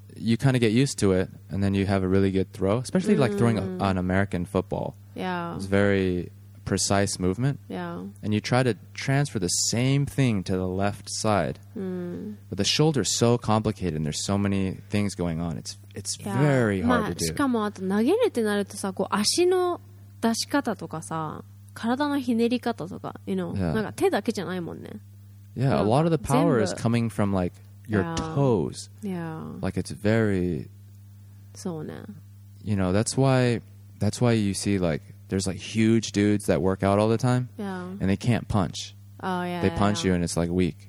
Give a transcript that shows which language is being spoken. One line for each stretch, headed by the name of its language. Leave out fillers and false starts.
English: you kind of get used to it, and then you have a really good throw, especially like throwing an American football. Yeah. It's very precise movement. Yeah. And you try to transfer the same thing to the left side. Mm. But the shoulder's so complicated, and there's so many things going on. It's yeah. very hard まあ、 to do.
Japanese: しかもあと投げるってなるとさ、こう足の出し方とかさ、体のひねり方とか、
English: you know, yeah.
Japanese: なんか手だけじゃないもんね。
English: Yeah, a lot of the power is coming from like your yeah. toes. Yeah. Like it's very...
Japanese: そうね。
English: You know, that's why you see like there's like huge dudes that work out all the time yeah. and they can't punch. Oh yeah. They punch yeah. you and it's like weak.